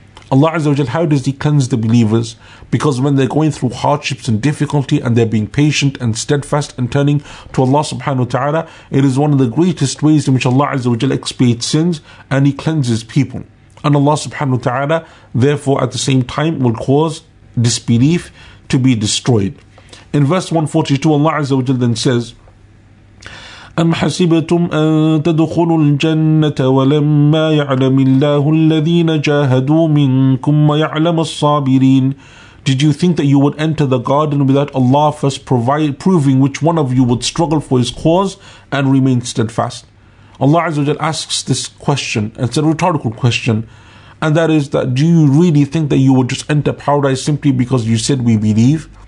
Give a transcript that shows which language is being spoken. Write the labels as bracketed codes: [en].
[en] Allah Azza wa Jal, how does He cleanse the believers? Because when they're going through hardships and difficulty and they're being patient and steadfast and turning to Allah subhanahu wa ta'ala, it is one of the greatest ways in which Allah Azza wa Jal expiates sins and He cleanses people. And Allah subhanahu wa ta'ala, therefore, at the same time, will cause disbelief to be destroyed. In verse 142, Allah Azza wa Jal then says, [ar] أَمْ حَسِبْتُمْ أَن تَدْخُلُوا الْجَنَّةَ وَلَمَّا يَعْلَمِ اللَّهُ الَّذِينَ جَاهَدُوا مِنْكُمْ وَيَعْلَمَ الصَّابِرِينَ. [en] Did you think that you would enter the garden without Allah first proving which one of you would struggle for His cause and remain steadfast? Allah Azza wa Jal asks this question. It's a rhetorical question. And that is that, do you really think that you would just enter paradise simply because you said we believe?